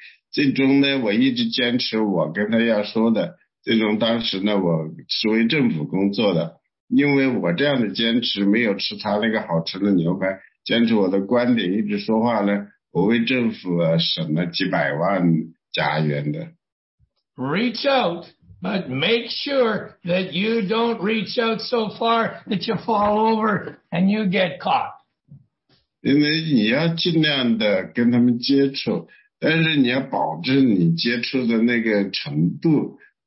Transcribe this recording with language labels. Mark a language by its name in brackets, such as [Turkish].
[Chinese] 这个故事的结尾呢，就是的，我当时呢，我就一直说，因为我没有去试探他那个好吃的牛排，最终呢，我一直坚持我跟他要说的。最终当时呢，我是为政府工作的，因为我这样的坚持没有吃他那个好吃的牛排，坚持我的观点一直说话呢，我为政府省了几百万加元的。 [English] Reach out, but make sure that you don't reach out so far that you fall over and you get caught. [Chinese] 因为你要尽量的跟他们接触，但是你要保证你接触的那个程度。